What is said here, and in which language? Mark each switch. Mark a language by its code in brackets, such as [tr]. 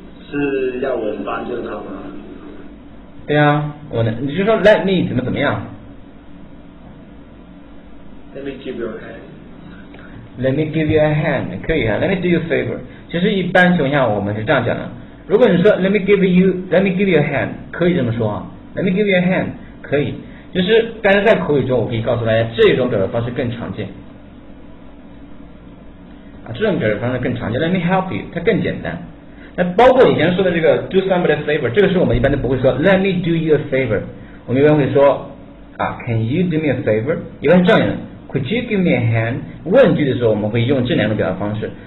[zh] 是要我帮着他吗？对啊，我能，你就说 [en] let me [zh] 怎么怎么样 [en] ？Let me give you a hand. Let me give you a hand. [zh] 可以啊 [en] ，Let me do you a favor. [zh] 其实一般情况下我们是这样讲的。如果你说 [en] Let me give you a hand， [zh] 可以这么说啊。 [en] Let me give you a hand， [zh] 可以。就是但是在口语中，我可以告诉大家，这种表达方式更常见。啊，这种表达方式更常见。 [en] Let me help you， [zh] 它更简单。那包括以前说的这个 [en] do somebody a favor， [zh] 这个是我们一般都不会说 [en] let me do you a favor， [zh] 我们一般会说啊 [en] can you do me a favor， [zh] 一般是这样的 [en] could you give me a hand， [zh] 问句的时候我们会用这两种表达方式。